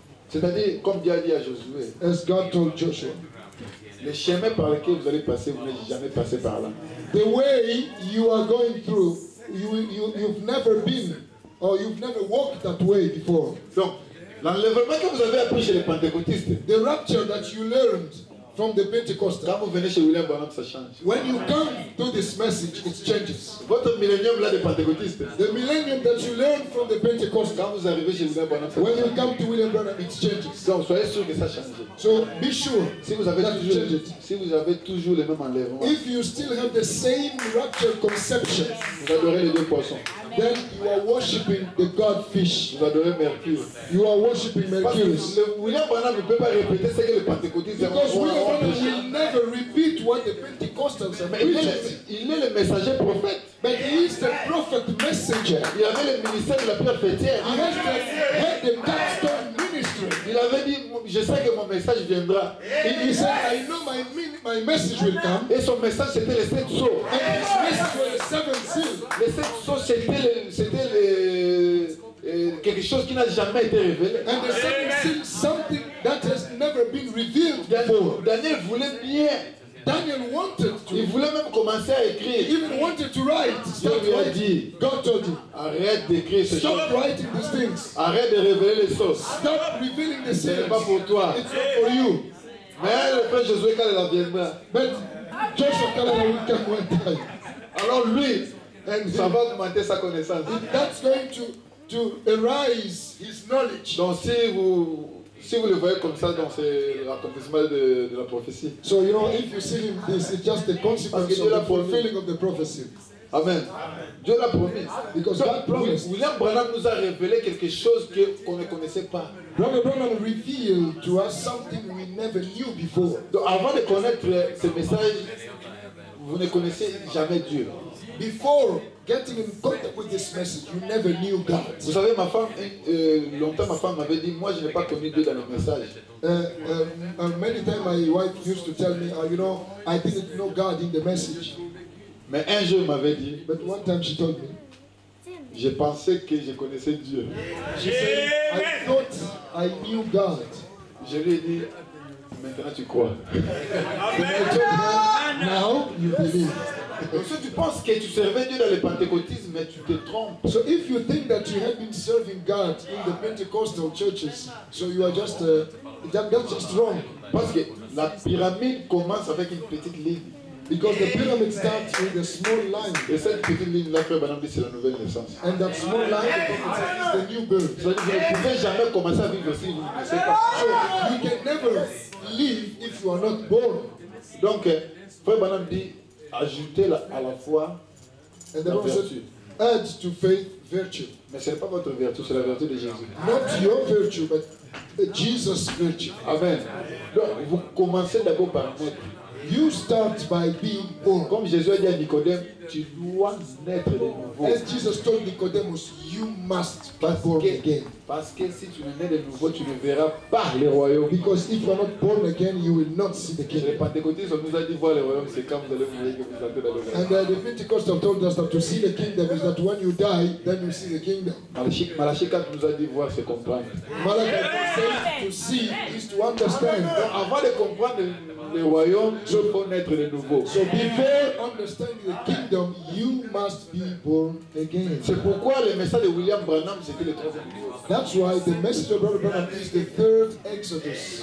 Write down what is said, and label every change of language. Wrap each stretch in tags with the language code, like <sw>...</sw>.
<fr>C'est-à-dire, comme Dieu a dit à Josué,</fr> <en>as God told Joshua,</en> <fr>le chemin par lequel vous allez passer, vous n'allez jamais passer par là.</fr> <en>The way you are going through, you've never been, or you've never walked that way before.</en> <fr>Donc, l'enlèvement que vous avez appris chez les pentecôtistes,</fr> <en>the rapture that you learned from the Pentecost,</en> <fr>quand vous venez chez William Branham, ça change.</fr> <en>When you come to this message, it changes.</en> <fr>Votre millénium là des pentecôtistes,</fr> <en>the millennium that you learned from the Pentecost,</en> <fr>quand vous arrivez chez William Branham,</fr> <en>when you come to William Branham, it changes.</en> <fr>Donc soyez sûr que ça change.</fr> <en>So be sure.</en> <fr>Si vous avez toujours les mêmes enlèvements,</fr> <en>if you still have the same rapture conception,</en> <fr>vous adorez les deux poissons.</fr> <en>Then you are worshiping the god fish.</en> <fr>Vous adorez Mercure.</fr> <en>You are worshiping Mercury.</en> <fr>William Branham ne peut pas répéter ce que les pentecôtistes ont.</fr> <en>He will never repeat what the Pentecostals have preached.</en> <fr>Il est le messager prophète.</fr> <en>But he is the prophet messenger.</en> <fr>Il avait le ministère de la pierre fêtière.</fr> <en>He has the head of that stone ministry.</en> <fr>Il avait dit, je sais que mon message viendra.</fr> <en>He said, I know my message will come.</en> <fr>Et son message c'était les sept sceaux.</fr> <en>And his message was the seven seals.</en> <fr>Les sept sceaux c'était quelque chose qui n'a jamais été révélé.</fr> <en>And the seven seals, something that has never been revealed.</en> <fr>Daniel voulait bien.</fr> <en>Daniel wanted to.</en> <fr>Il voulait même commencer à écrire.</fr> <en>He even wanted to write.</en> <fr>Dieu lui a dit,</fr> <en>God told him,</en> <fr>arrête d'écrire ces choses.</fr> <en>Stop writing these things.</en> <fr>Arrête de révéler les choses.</fr> <en>Stop revealing the secrets.</en> <fr>Ce n'est pas pour toi.</fr> <en>It's not for you.</en> <fr>Mais le frère Josué quand il reviendra.</fr> <en>But</en> <fr>Joshua quand il reviendra. Alors lui, ça va augmenter sa connaissance.</fr> <en>And that's going to arise his knowledge.</en> <fr>Donc si vous le voyez comme ça dans l'accomplissement de la prophétie.</fr> <en>So you know if you see him, this is just the consequence of the fulfilling of the prophecy.</en> <fr>Amen. Dieu l'a promis.</fr> <en>Because God promised.</en> <fr>William Branham nous a révélé quelque chose qu'on ne connaissait pas.</fr> <en>Brother Branham revealed to us something we never knew before.</en> <fr>Donc avant de connaître ce message, vous ne connaissiez jamais Dieu.</fr> <en>Before getting in contact with this message, you never knew God.</en> <fr>Vous savez, ma femme, longtemps ma femme m'avait dit, moi je n'ai pas connu Dieu dans le message.</fr> <en>Many times my wife used to tell me, you know, I didn't know God in the message.</en> <fr>Mais un jour, elle m'avait dit,</fr> <en>but one time she told me,</en> <fr>je pensais que je connaissais Dieu.</fr> <en>She said, I thought I knew God.</en> <fr>Je lui ai dit, maintenant tu crois.</fr> <en>Amen. And I told her, now you believe.</en> <fr>Donc si tu penses que tu servais Dieu dans le pentecôtisme, mais tu te trompes.</fr> <en>So if you think that you have been serving God in the Pentecostal churches, so you are just that's just wrong.</en> <fr>Parce que la pyramide commence avec une petite ligne.</fr> <en>Because the pyramid starts with a small line.</en> <fr>Et cette petite ligne, là, frère Branham dit, c'est la nouvelle naissance.</fr> <en>And that small line is the new birth. So you</en> <fr>ne pouvez jamais commencer à vivre si vous ne savez pas.</fr> <en>So you can never live if you are not born.</en> <fr>Donc frère Branham dit, ajoutez à la foi la vertu.</fr> <en>Add to faith virtue.</en> <fr>Mais ce n'est pas votre vertu, c'est la vertu de Jésus.</fr> <en>Not your virtue, but Jesus' virtue.</en> <fr>Amen. Donc, vous commencez d'abord par naître.</fr> <en>You start by being born.</en> <fr>Comme Jésus a dit à Nicodème, tu dois naître de nouveau.</fr> <en>As Jesus told Nicodemus, you must be born again.</en> <fr>Parce que si tu ne nais de nouveau, tu ne verras pas le royaume.</fr> <en>Because if you are not born again, you will not see the kingdom.</en> <fr>Les pentecôtistes nous a dit voir le royaume, c'est quand vous allez mourir que vous entrez dans le royaume.</fr> <en>And the Pentecostals told us that to see the kingdom is that when you die, then you see the kingdom.</en> <fr>Malachi 4 nous a dit voir, c'est comprendre.</fr> <en>Malachi 4 says to see is to understand.</en> <fr>Donc avant de comprendre le royaume, il faut naître de nouveau.</fr> <en>So before understanding the kingdom, you must be born again.</en> <fr>C'est pourquoi le message de William Branham, c'était le troisième livre.</fr> <en>That's why the message of Brother Branham is the third Exodus.</en>